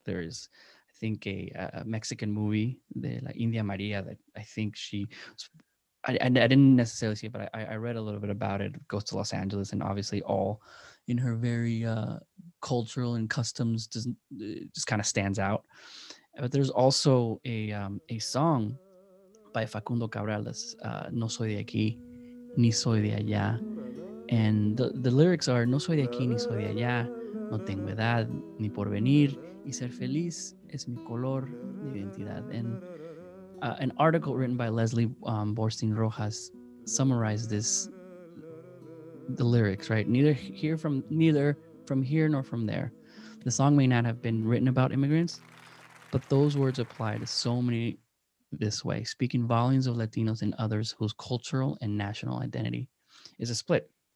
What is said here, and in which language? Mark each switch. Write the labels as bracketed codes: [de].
[en] There is, think a Mexican movie, the like India Maria, that I think she, I didn't necessarily see it, but I read a little bit about it. Goes to Los Angeles, and obviously all in her very cultural and customs just kind of stands out. But there's also a song by Facundo Cabral, [es] No Soy de Aquí, Ni Soy de Allá, and the lyrics are No Soy de Aquí, Ni Soy de Allá, No Tengo Edad, Ni Porvenir, Y Ser Feliz Es Mi Color, Mi Identidad. [en] And an article written by Leslie Borstein Rojas summarized the lyrics, right? Neither from here nor from there. The song may not have been written about immigrants, but those words apply to so many this way, speaking volumes of Latinos and others whose cultural and national identity is a split.